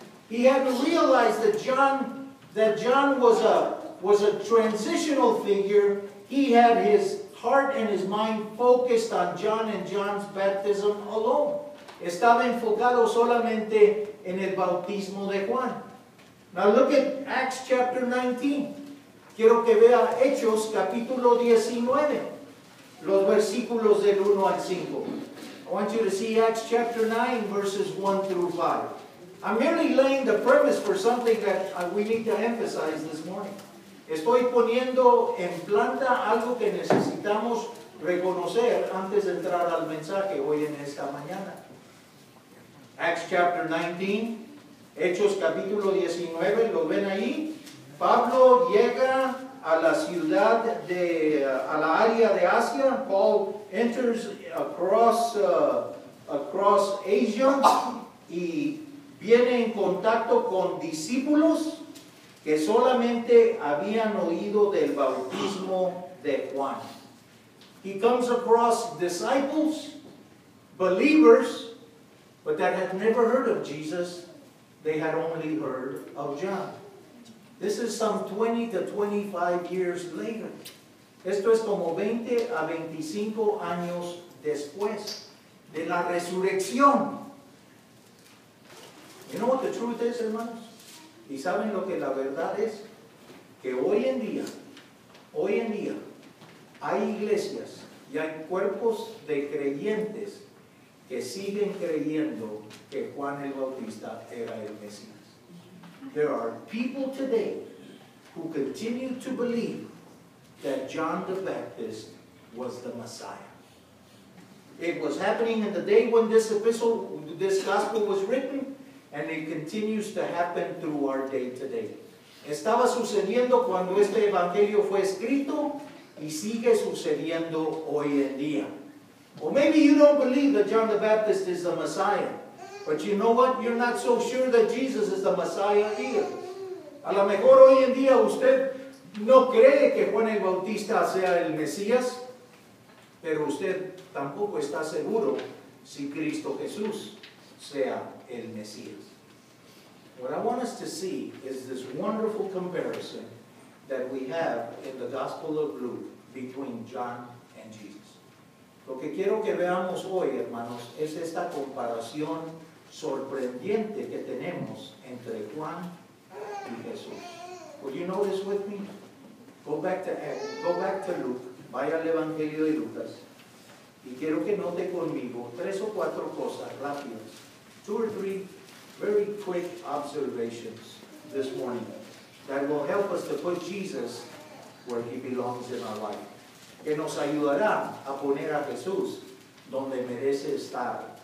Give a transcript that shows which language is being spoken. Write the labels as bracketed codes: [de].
[en] He had realized that John was a transitional figure. He had his heart and his mind focused on John and John's baptism alone. [es] Estaba enfocado solamente en el bautismo de Juan. [en] Now look at Acts chapter 19. [es] Quiero que vea Hechos capítulo 19, los versículos del 1 al 5. [en] I want you to see Acts chapter 9, verses 1 through 5. I'm merely laying the premise for something that we need to emphasize this morning. [es] Estoy poniendo en planta algo que necesitamos reconocer antes de entrar al mensaje hoy en esta mañana. [en] Acts chapter 19, [es] Hechos capítulo 19, ¿lo ven ahí? Pablo llega a la ciudad de, a la área de Asia. [en] Paul enters across Asia [es] y viene en contacto con discípulos que solamente habían oído del bautismo de Juan. [en] He comes across disciples, believers, but that had never heard of Jesus. They had only heard of John. This is some 20 to 25 years later. [es] Esto es como 20 a 25 años después de la resurrección. [en] You know what the truth is, [es] hermanos? ¿Y saben lo que la verdad es? Que hoy en día, hay iglesias y hay cuerpos de creyentes que siguen creyendo que Juan el Bautista era el Mesías. [en] There are people today who continue to believe that John the Baptist was the Messiah. It was happening in the day when this epistle, this gospel was written, and it continues to happen through our day today. [es] Estaba sucediendo cuando este evangelio fue escrito, y sigue sucediendo hoy en día. [en] Or maybe you don't believe that John the Baptist is the Messiah. But you know what? You're not so sure that Jesus is the Messiah either. [es] A lo mejor hoy en día usted no cree que Juan el Bautista sea el Mesías, pero usted tampoco está seguro si Cristo Jesús sea el Mesías. [en] What I want us to see is this wonderful comparison that we have in the Gospel of Luke between John and Jesus. [es] Lo que quiero que veamos hoy, hermanos, es esta comparación sorprendente que tenemos entre Juan y Jesús. [en] Would you notice with me? Go back to Luke. [es] Vaya al Evangelio de Lucas. Y quiero que note conmigo tres o cuatro cosas rápidas. [en] Two or three very quick observations this morning that will help us to put Jesus where he belongs in our life. [es] Que nos ayudará a poner a Jesús donde merece estar